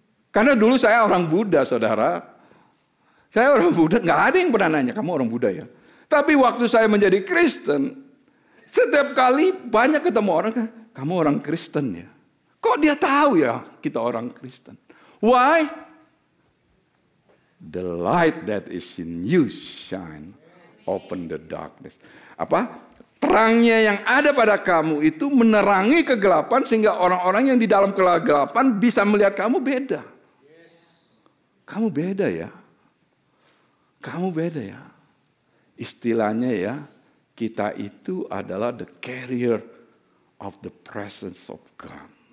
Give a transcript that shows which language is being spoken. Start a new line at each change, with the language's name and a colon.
Indonesian: Karena dulu saya orang Buddha, saudara. Saya orang Buddha, enggak ada yang pernah nanya kamu orang Buddha ya. Tapi waktu saya menjadi Kristen, setiap kali banyak ketemu orang kan, kamu orang Kristen ya. Kok dia tahu ya kita orang Kristen?
English: Why? The light that is in you shine, open the darkness.
Indonesian: Apa? Terangnya yang ada pada kamu itu menerangi kegelapan sehingga orang-orang yang di dalam kegelapan bisa melihat kamu beda. Kamu beda ya. Kamu beda ya. Istilahnya ya, kita itu adalah
English: the carrier of the presence of God.